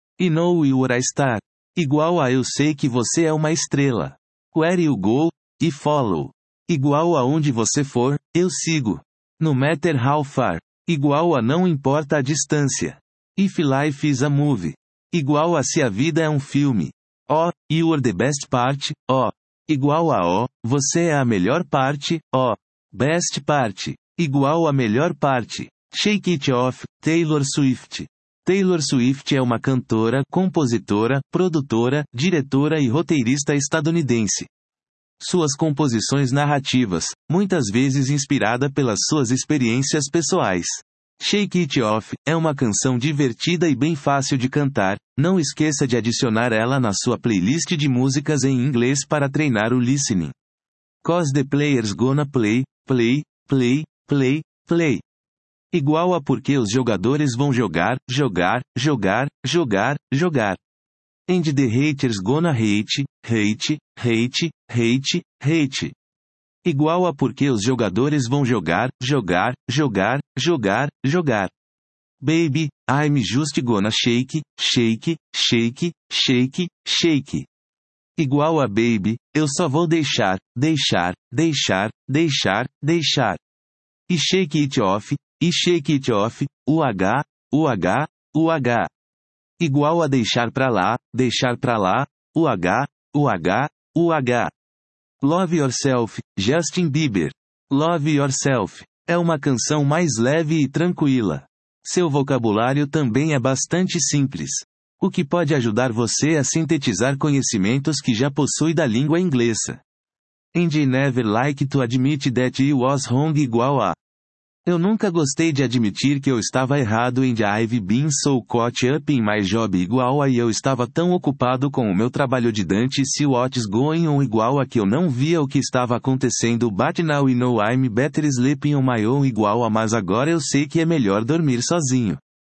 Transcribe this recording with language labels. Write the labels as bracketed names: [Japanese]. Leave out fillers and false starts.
[English] You know you are a star. [Portuguese] Igual a eu sei que você é uma estrela. [English] Where you go, I follow. [Portuguese] Igual a onde você for, eu sigo. [English] No matter how far. [Portuguese] Igual a não importa a distância. [English] If life is a movie. [Portuguese] Igual a se a vida é um filme. [English] Oh, you are the best part, oh. [Portuguese] Igual a oh, você é a melhor parte, oh. [English] Best part. [Portuguese] Igual a melhor parte. Shake It Off, Taylor Swift. Taylor Swift é uma cantora, compositora, produtora, diretora e roteirista estadunidense. Suas composições narrativas, muitas vezes inspirada pelas suas experiências pessoais. Shake It Off é uma canção divertida e bem fácil de cantar, não esqueça de adicionar ela na sua playlist de músicas em inglês para treinar o listening. [English] 'Cause the players gonna play, play, play, play, play. [Portuguese] Igual a porque os jogadores vão jogar, jogar, jogar, jogar, jogar. [English] And the haters gonna hate, hate, hate, hate, hate. [Portuguese] Igual a porque os jogadores vão jogar, jogar, jogar, jogar, jogar. [English] Baby, I'm just gonna shake, shake, shake, shake, shake. [Portuguese] Igual a baby, eu só vou deixar, deixar, deixar, deixar, deixar. [English] E shake it off, e shake it off, uh, uh, uh. [Portuguese] Igual a deixar pra lá, uh, uh, uh. Love Yourself, Justin Bieber. Love Yourself é uma canção mais leve e tranquila. Seu vocabulário também é bastante simples, o que pode ajudar você a sintetizar conhecimentos que já possui da língua inglesa. [English] And I never liked to admit that I was wrong [Portuguese] igual a. Eu nunca gostei de admitir que eu estava errado [English] and I've been so caught up in my job [Portuguese] igual a e eu estava tão ocupado com o meu trabalho de Dante se [English] what's going on [Portuguese] igual a que eu não via o que estava acontecendo [English] but now I know I'm better sleeping on my own [Portuguese] igual a mas agora eu sei que é melhor dormir sozinho.